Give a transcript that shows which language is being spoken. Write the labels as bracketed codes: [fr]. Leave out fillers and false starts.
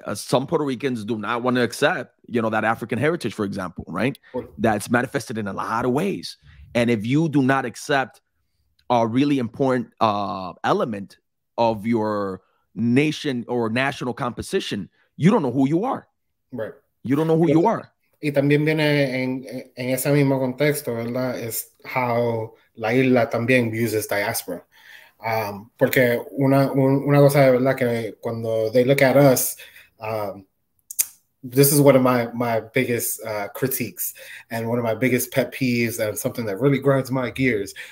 [en] Some Puerto Ricans do not want to accept, you know, that African heritage, for example, right? That's manifested in a lot of ways. And if you do not accept a really important element of your nation or national composition, you don't know who you are. Right. You don't know who you are. [es] Y también viene en ese mismo contexto, ¿verdad? Es how la isla también uses diaspora. Porque una cosa de verdad que cuando [en] they look at us, this is one of my biggest critiques and one of my biggest pet peeves and something that really grinds my gears.